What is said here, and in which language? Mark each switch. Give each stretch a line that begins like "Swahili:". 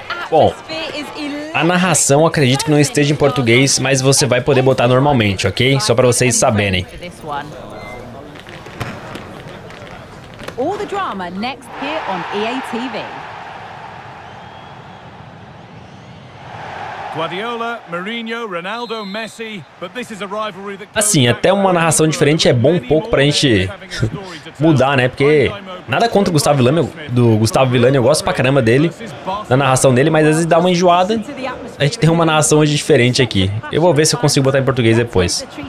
Portuguese: Bom, a narração acredito que não esteja em português, mas você vai poder botar normalmente, ok? Só para vocês saberem.
English: All the drama next here on EA TV. Guardiola, Mourinho, Ronaldo, Messi, but this is a rivalry that...
Portuguese: Assim, até uma narração diferente é bom um pouco pra gente mudar, né? Porque nada contra o Gustavo Villani, eu gosto pra caramba dele, da narração dele, mas às vezes dá uma enjoada. A gente tem uma narração hoje diferente aqui. Eu vou ver se eu consigo botar em português depois.